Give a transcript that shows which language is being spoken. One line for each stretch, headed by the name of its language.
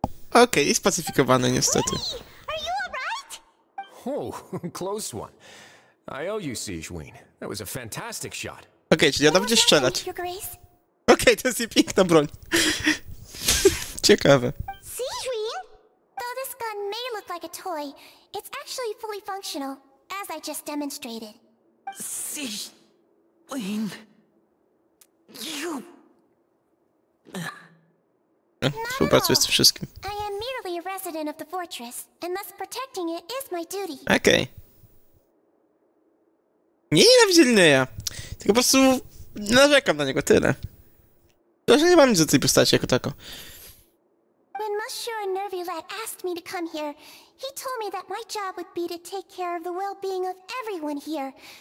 Polish: Okej, okay, spacyfikowane niestety.
English: Are you all right? Oh, close one. I owe you, Sijuin. That was a fantastic shot.
Polish: Okej, czyli ona będzie strzelać. Okej, to jest jej piękna broń. Ciekawe.
English: Sijuin? Though this gun may look like a toy, it's actually fully functional, as I just demonstrated. Sijuin... You...
Polish: Współpracuję z tym wszystkim.
English: I am merely a resident of the fortress, and thus protecting it is my duty.
Polish: Okej. Nie nienawidzę Linnea, tylko po prostu narzekam na niego, tyle. Proszę, nie mam nic do tej postaci jako tako.
English: When Monsieur Nervulet asked me to come here, he told me that my job would be to take care of the well-being of everyone here.